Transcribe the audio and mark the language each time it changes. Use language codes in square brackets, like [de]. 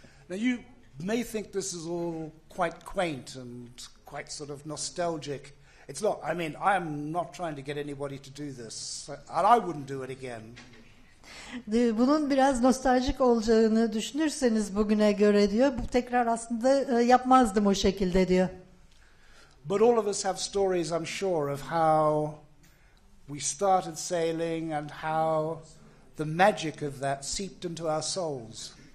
[en] Now you may think this is all quite quaint and quite sort of nostalgic. It's not, I mean, I'm not trying to get anybody to do this. And I wouldn't do it again. [tr] Bunun biraz nostaljik olacağını düşünürseniz bugüne göre diyor, bu tekrar aslında yapmazdım o şekilde diyor. [en] But all of us have stories, I'm sure, of how we started sailing and how the magic of that seeped into our souls.